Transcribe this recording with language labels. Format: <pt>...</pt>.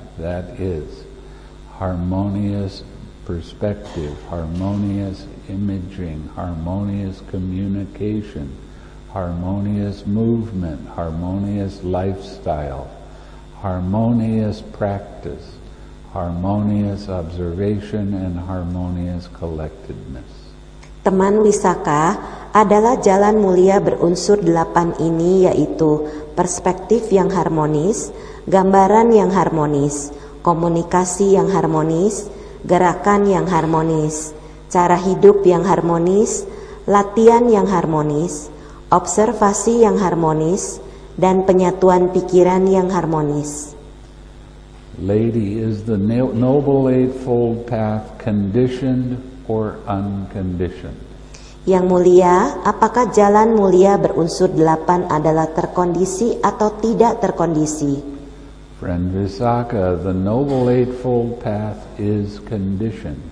<en>That is harmonious perspective, harmonious imaging, harmonious communication, harmonious movement, harmonious lifestyle, harmonious practice, harmonious observation, and harmonious collectedness.</en> <id>Teman Wisaka adalah jalan mulia berunsur delapan ini, yaitu perspektif yang harmonis, gambaran yang harmonis, komunikasi yang harmonis, gerakan yang harmonis, cara hidup yang harmonis, latihan yang harmonis, observasi yang harmonis, dan penyatuan pikiran yang harmonis.</id> <en>Lady, is the Noble Eightfold Path conditioned or unconditioned?</en> <id>Yang mulia, apakah jalan mulia berunsur delapan adalah terkondisi atau tidak terkondisi?</id> <en>Friend Visakha, the Noble Eightfold Path is conditioned.</en>